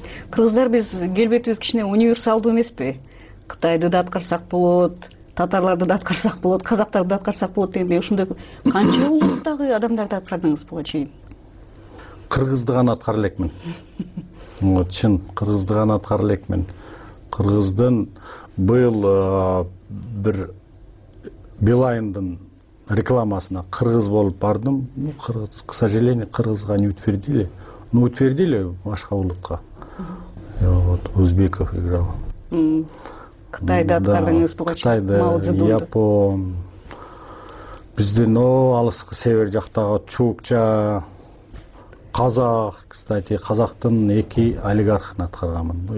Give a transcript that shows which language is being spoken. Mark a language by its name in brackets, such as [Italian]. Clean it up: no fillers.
[Kyrgyz] Кыргыздар биз келбетибиз кичине универсалдуу эмеспи? Кытайды да аткарсак болот, татарларды да аткарсак болот, казактарды да аткарсак болот дегендей ушундай канча улуттагы адамдарды аткардыңыз буга чейин? Кыргызды гана аткара элекмин. Вот чын, кыргызды гана аткара элекмин. Кыргыздын быйыл бир Билайндын рекламасына кыргыз болуп бардым. [Russian] Ну, [Kyrgyz] кыргыз, [Russian] к сожалению, [Kyrgyz] кыргызга [Russian] не утвердили. Ну, утвердили [Kyrgyz] башка улутка. [Russian] Вот Узбеков играл. [Kyrgyz] Кытайды аткардыңыз буга чейин. Кытайды, Япон. Биздин алыскы север жактагы чукча, казак, кстати, казактын эки олигархын аткарганмын.